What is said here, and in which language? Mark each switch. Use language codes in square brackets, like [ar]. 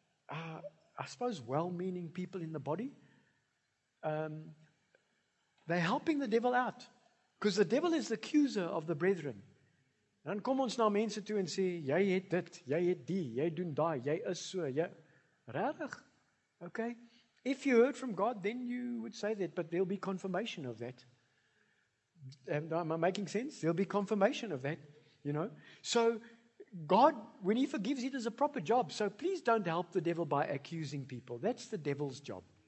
[en] So many, well-meaning people in the body, they're helping the devil out. Because the devil is the accuser of the brethren. [af] Dan kom ons na mense toe en sê, jy het dit, jy het die, jy doen daai, jy is so, jy... Rarig, okay? [en] If you heard from God, then you would say that, but there'll be confirmation of that. Am I making sense? There'll be confirmation of that, you know? So, God, when He forgives, He does a proper job. So, please don't help the devil by accusing people. That's the devil's job.